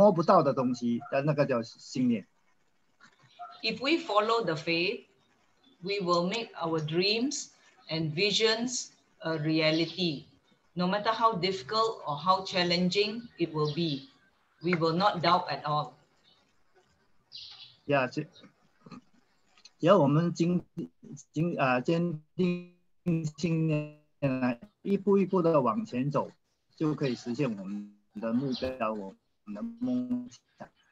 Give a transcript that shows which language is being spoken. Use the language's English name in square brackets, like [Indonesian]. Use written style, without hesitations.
[Chinese] 我们所谓的信念呢，就是我们相信我们一些不存在的，或者是不，我们自己不能那个摸不到的东西，但那个叫信念。 [English] If we follow the faith, we will make our dreams and visions a reality, no matter how difficult or how challenging it will be. We will not doubt at all. [Chinese] Yeah, 只要我们坚定信念，一步一步的往前走，就可以实现我们的目标，我们的梦想。